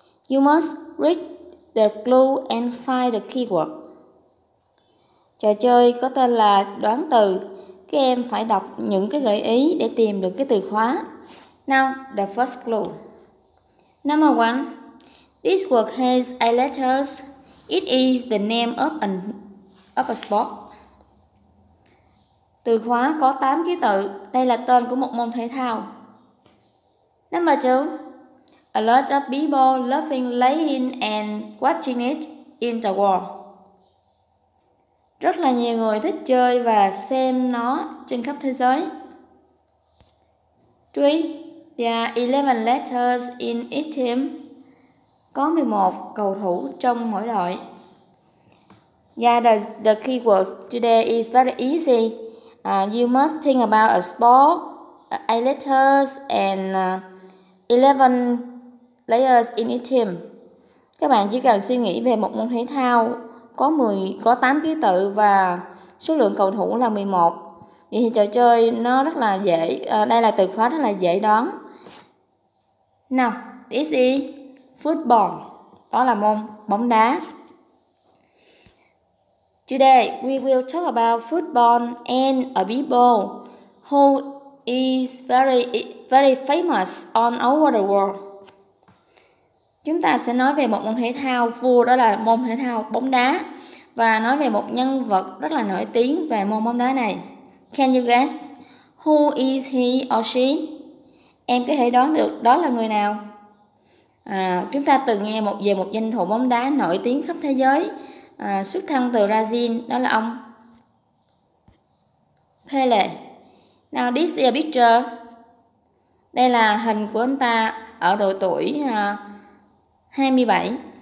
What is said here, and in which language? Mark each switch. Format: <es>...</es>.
<en>You must read the clue and find the keyword.</en> <vi>Trò chơi có tên là đoán từ. Các em phải đọc những cái gợi ý để tìm được cái từ khóa.</vi> <en>Now, the first clue. Number one, this word has eight letters. It is the name of a sport.</en> <vi>Từ khóa có 8 ký tự. Đây là tên của một môn thể thao.</vi> <en>Number two, a lot of people loving laying and watching it in the wall.</en> <vi>Rất là nhiều người thích chơi và xem nó trên khắp thế giới.</vi> <en>3. There are 11 letters in each team.</en> <vi>Có 11 cầu thủ trong mỗi đội.</vi> <en>Yeah, the keywords today is very easy. You must think about a sport, 8 letters and 11 players in each team.</en> <vi>Các bạn chỉ cần suy nghĩ về một môn thể thao có 8 ký tự và số lượng cầu thủ là 11. Vậy thì trò chơi nó rất là dễ, đây là từ khóa rất là dễ đoán.</vi> <en>Now, this is football.</en> <vi>Đó là môn bóng đá.</vi> <en>Today, we will talk about football and a people who is very, very famous on over the world.</en> <vi>Chúng ta sẽ nói về một môn thể thao vua, đó là môn thể thao bóng đá. Và nói về một nhân vật rất là nổi tiếng về môn bóng đá này.</vi> <en>Can you guess who is he or she?</en> <vi>Em có thể đoán được đó là người nào? Chúng ta từng nghe về một danh thủ bóng đá nổi tiếng khắp thế giới, xuất thân từ Brazil, đó là ông Pele.</vi> <en>Now this is a picture.</en> <vi>Đây là hình của anh ta ở độ tuổi 27.</vi>